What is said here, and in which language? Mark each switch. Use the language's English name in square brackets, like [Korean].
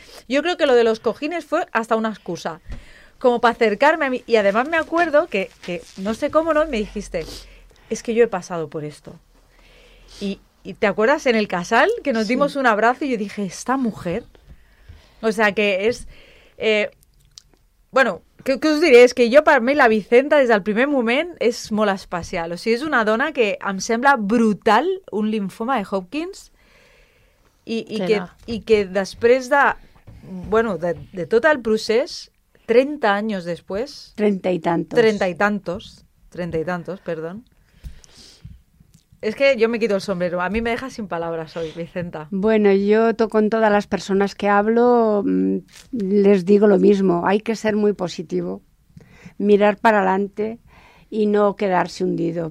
[Spanish] Yo creo que lo de los cojines fue hasta una excusa, como para acercarme a mí. Y además me acuerdo que no sé cómo no, me dijiste, es que yo he pasado por esto. ¿Y te acuerdas en el Casal que nos dimos un abrazo y yo dije, esta mujer? O sea, que es... bueno, ¿qué os diré? Es que yo, para mí, [Catalan] la Vicenta, des del primer moment, és molt especial. O sigui, és una dona que em sembla brutal un linfoma de Hodgkin's i que després de... Bueno, de tot el procés, 30 anys després... 30 i tantos. 30 i tantos. 30 i tantos, perdón. [Spanish] Es que yo me quito el sombrero. A mí me deja sin palabras hoy, Vicenta. Bueno, yo con todas las personas que hablo les digo lo mismo. Hay que ser muy positivo, mirar para adelante y no quedarse hundido.